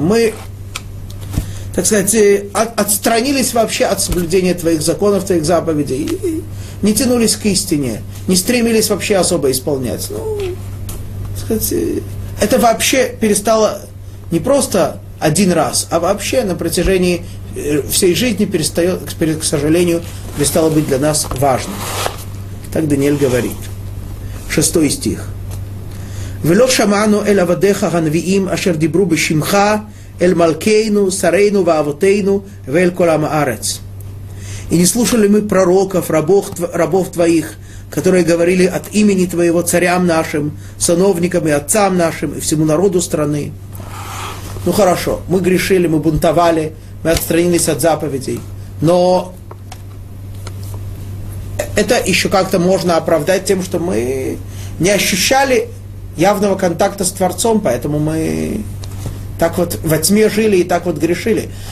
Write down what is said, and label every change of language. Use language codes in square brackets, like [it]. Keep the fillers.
[ru] Мы, так сказать, от, отстранились вообще от соблюдения твоих законов, твоих заповедей, и не тянулись к истине, не стремились вообще особо исполнять. Ну, так сказать, это вообще перестало не просто один раз, а вообще на протяжении всей жизни перестает, к сожалению, перестало быть для нас важным. Так Даниэль говорит. Шестой стих. [he] ולא שמענו אל עבדיך הנביאים אשר דיברו בשמך אל מלכנו, שרינו ואבותינו ואל כל עם הארץ. [ru] И не слушали мы пророков, рабов, рабов твоих, которые говорили от имени Твоего царям нашим, сановникам и отцам нашим, и всему народу страны. Ну хорошо, мы грешили, мы бунтовали, мы отстранились от заповедей, но это еще как-то можно оправдать тем, что мы не ощущали явного контакта с Творцом, поэтому мы так вот во тьме жили и так вот грешили.